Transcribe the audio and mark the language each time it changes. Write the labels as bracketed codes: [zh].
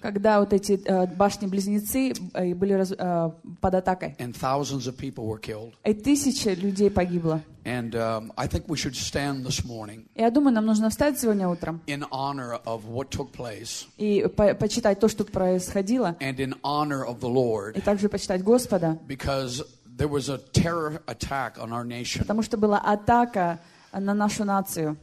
[ru] Когда вот эти башни-близнецы были под атакой. [en] And thousands of people were killed. [ru] И тысячи людей погибло. [en] And I think we should stand this morning. [ru] Я думаю, нам нужно встать сегодня утром. [en] In honor of what took place. [ru] И почитать то, что происходило. [en] And in honor of the Lord. [ru] И также почитать Господа. [en] Because there was a terror attack on our nation. [ru] Потому что была атака на нашу нацию.